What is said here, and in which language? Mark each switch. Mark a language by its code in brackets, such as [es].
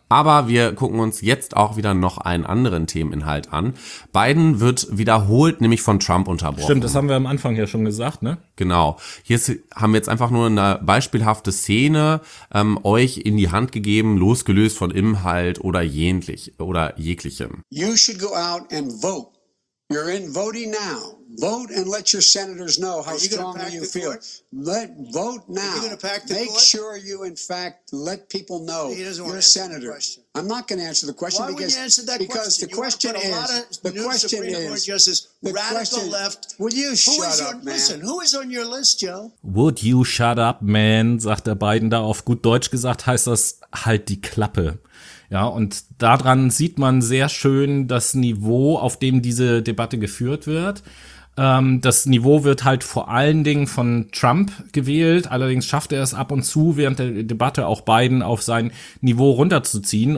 [de] Aber wir gucken uns jetzt auch wieder noch einen anderen Themeninhalt an. Biden wird wiederholt nämlich von Trump unterbrochen. Stimmt, das haben wir am Anfang ja schon gesagt, ne? Genau. Hier haben wir jetzt einfach nur eine beispielhafte Szene euch in die Hand gegeben, losgelöst von Inhalt oder jeglichem. [en] You should go out and vote. You're in voting now. Vote and let your senators know how strongly you feel. Vote now. Make sure you, in fact, let people know you're a senator. I'm not going to answer the question. Why would you answer that question? Because the question is, radical left. Would you shut up, man? Listen, who is on your list, Joe? Would you shut up, man, [de] sagt der Biden da. Auf gut Deutsch gesagt heißt das, halt die Klappe. Ja, und daran sieht man sehr schön das Niveau, auf dem diese Debatte geführt wird. Das Niveau wird halt vor allen Dingen von Trump gewählt. Allerdings schafft er es ab und zu während der Debatte auch Biden auf sein Niveau runterzuziehen.